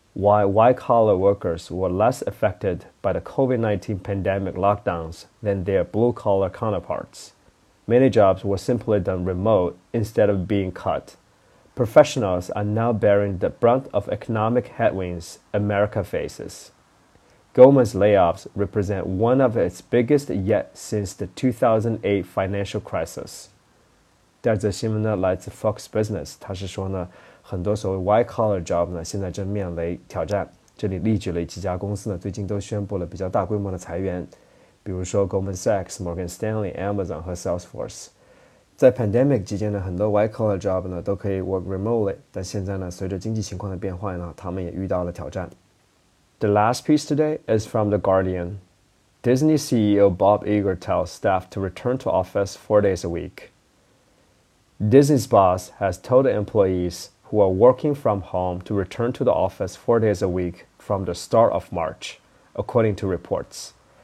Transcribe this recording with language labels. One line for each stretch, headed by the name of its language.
English: While white-collar workers were less affected by the COVID-19 pandemic lockdowns than their blue-collar counterparts, many jobs were simply done remote instead of being cut. Professionals are now bearing the brunt of economic headwinds America faces. Goldman's layoffs represent one of its biggest yet since the 2008 financial crisis.
Chinese: 这则新闻呢来自 Fox Business， 它是说呢，很多所谓 white collar job 呢现在正面临挑战。这里例举了几家公司呢，最近都宣布了比较大规模的裁员，比如说 Goldman Sachs、 Morgan Stanley、 Amazon 和 Salesforce。在 pandemic 期间呢，很多 white collar job 呢都可以
English: work remotely，
Chinese: 但现在呢，随着经济情况的变化呢，他们也遇到了挑战。
English: The last piece today is from the Guardian. Disney CEO Bob Iger tells staff to return to office 4 days a week. Disney's boss has told employees who are working from home to return to the office 4 days a week from the start of March, according to reports.